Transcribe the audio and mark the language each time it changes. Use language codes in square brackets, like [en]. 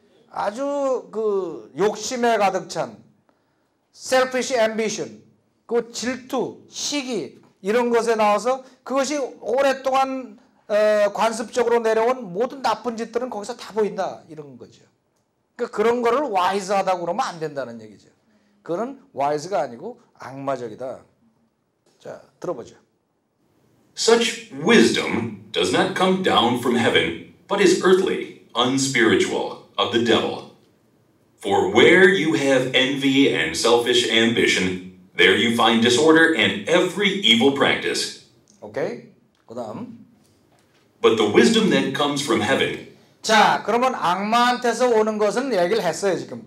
[ko] 아주 그 욕심에 가득 찬 [en] selfish ambition [ko] 그 질투, 시기 이런 것에 나와서 그것이 오랫동안 관습적으로 내려온 모든 나쁜 짓들은 거기서 다 보인다 이런 거죠. 그러니까 그런 거를 와이즈하다고 그러면 안 된다는 얘기죠. 그거는 와이즈가 아니고 악마적이다. 자, 들어보죠. [en] Such wisdom does not come down from heaven, but is earthly, unspiritual, of the devil. For where you have envy and selfish ambition, there you find disorder and every evil practice. [ko] Okay, 그 다음. [en] But the wisdom that comes from heaven. [ko] 자, 그러면 악마한테서 오는 것은 얘기를 했어요, 지금.